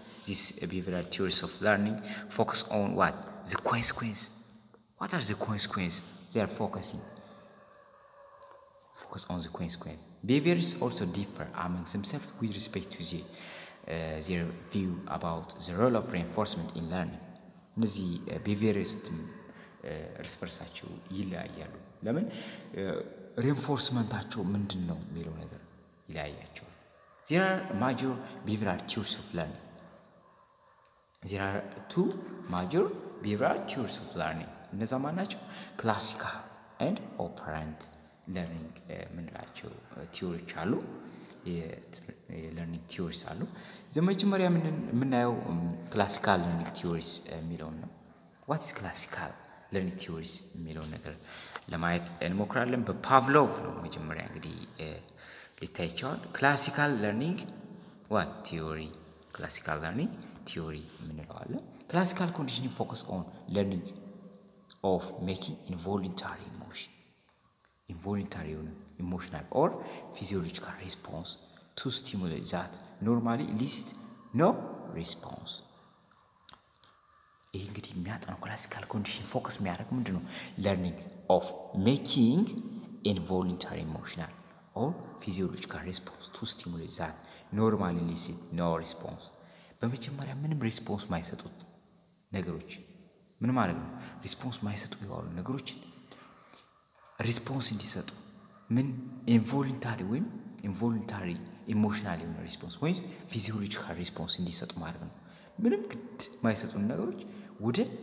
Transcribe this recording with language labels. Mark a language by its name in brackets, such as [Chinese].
[English] this behavioral theories of learning focus on what? the consequence. what are the consequences? they are focus on the consequence. behaviors also differ among themselves with respect to the their view about the role of reinforcement in learning. [Amharic] እነዚህ behaviorist እርስ በርሳቸው ይለያያሉ። ለምን? reinforcementቸው ምንድነው የሚለው ነገር ይለያያቸው። [English] there are major behavioral theories of learning. there are two major behavioral theories of learning. [Amharic] እነዛ ማናቸው? [English] classical and operant learning [Amharic] ምንላቸው ቲዮሪዎች አሉ፣ የለርኒንግ ቲዮሪስ አሉ። የመጀመሪያ የምናየው ክላሲካል ለርኒንግ ቲዮሪስ የሚለውን ነው። [English] what's classical learning theories [Amharic] የሚለውን ነገር ለማየት እንሞክራለን። በፓቭሎቭ ነው መጀመሪያ እንግዲህ ሊታይ ይችላል። [English] ክላሲካል ለርኒንግ ዋት ቲዮሪ ክላሲካል ለርኒንግ ቲዮሪ [Amharic] የምንለዋለን። [English] ክላሲካል ኮንዲሽኒንግ ፎከስ ኦን ለርኒንግ ኦፍ ሜኪንግ ኢንቮሉንታሪ ኢሞሽን involuntary emotional or physiological response to stimuli that normally elicit no response. [Amharic] ይህ እንግዲህ የሚያጠነው ክላሲካል ኮንዲሽን ፎከስ የሚያደርግ ምንድን ነው? [English] learning of making involuntary emotional or physiological response to stimuli that normally elicit no response. [Amharic] በመጀመሪያ ምንም ሪስፖንስ ማይሰጡት ነገሮች ምን ማለት ነው? ሪስፖንስ ማይሰጡ የዋሉ ነገሮች ሪስፖንስ እንዲሰጡ ምን ኢንቮሉንታሪ ወይም ኢንቮሉንታሪ ኢሞሽናል የሆነ ሪስፖንስ ወይም ፊዚዮሎጂካል ሪስፖንስ እንዲሰጡ ማድረግ ነው። ምንም ግድ ማይሰጡን ነገሮች ወደ